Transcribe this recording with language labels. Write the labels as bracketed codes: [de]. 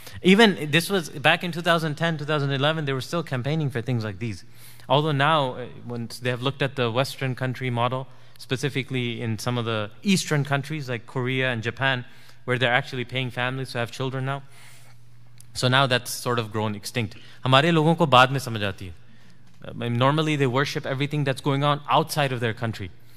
[en] Even this was back in 2010, 2011, they were still campaigning for things like these. Although now, once they have looked at the Western country model, specifically in some of the Eastern countries like Korea and Japan, where they're actually paying families to have children now. So now that's sort of grown extinct. [ur] ہمارے لوگوں کو بعد میں سمجھ آتی ہے۔ [en] Normally they worship everything that's going on outside of their country.